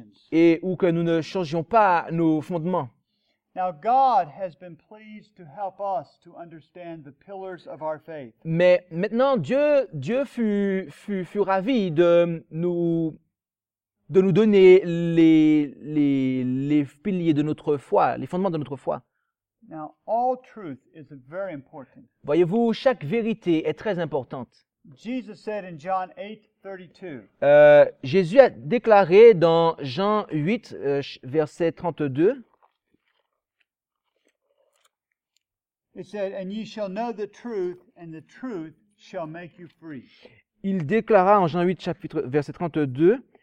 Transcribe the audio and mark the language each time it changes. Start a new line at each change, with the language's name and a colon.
French: Et ou que nous ne changions pas nos fondements.
English: Now God has been pleased to help us to understand the pillars of our faith.
French: Mais maintenant Dieu fut ravi de nous donner les piliers de notre foi, les fondements de notre foi.
English: Now, all truth is very important.
French: Voyez-vous, chaque vérité est très importante.
English: Jesus said in John 8:32.
French: Jésus a déclaré dans Jean 8 verset 32.
English: It said, "And ye shall know the truth, and the truth shall make you free."
French: Il déclara en Jean 8 chapitre verset 32.